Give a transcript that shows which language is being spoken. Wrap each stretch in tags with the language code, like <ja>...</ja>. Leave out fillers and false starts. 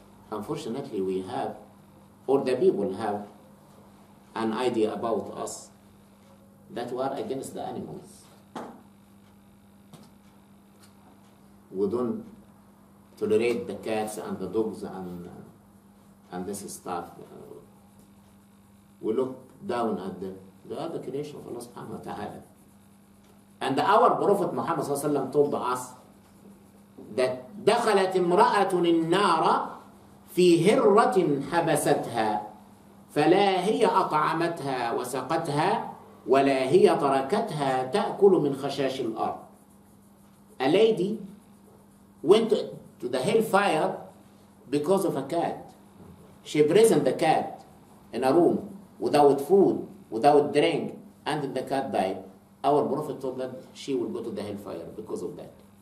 <en>Unfortunately, we have, or the people have, an idea about us that we are against the animals. We don't tolerate the cats and the dogs and this stuff. We look down at them. They are the creation of Allah subhanahu wa ta'ala. And our Prophet Muhammad sallallahu alaihi wasallam told us that</en> <ar>دخلت امرأة النار في هرة حبستها فلا هي أطعمتها وسقتها ولا هي تركتها تأكل من خشاش الأرض.</ar> <en>A lady went to the hellfire because of a cat. She imprisoned the cat in a room without food, without drink, and the cat died. Our Prophet told that she will go to the hellfire because of that.</en>